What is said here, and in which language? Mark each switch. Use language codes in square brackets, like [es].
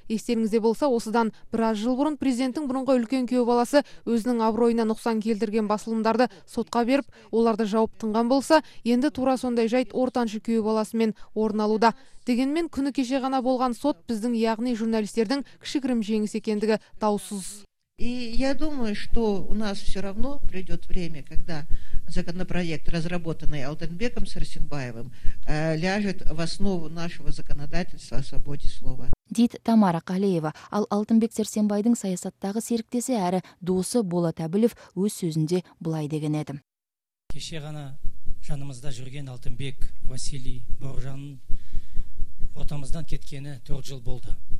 [kk] Естеріңізде болса, осыдан біраз жыл бұрын президенттің бұрынғы үлкен күйеу баласы өзінің абыройына нұқсан келтірген басылымдарды сотқа беріп, оларды жауып тынған болса, енді тура сондай жайт ортаншы күйеу баласымен орын алуда. Дегенмен күні кеше ғана болған сот біздің, яғни журналистердің кішігірім жеңіс екендігі даусыз. [ru] И я думаю, что у нас все равно придет время, когда законопроект, разработанный Алтынбеком Сарсенбаевым, ляжет в основу нашего законодательства о свободе слова. [kk] Дит Тамара Калеева, ал Алтынбек Сарсенбайдың саясаттағы серіктесі әрі досы Болат Әбілев өз сөзінде былай деген еді. Кеше ғана жанымызда жүрген Алтынбек Василий Бауыржанның отамыздан кеткені 4 жыл болды.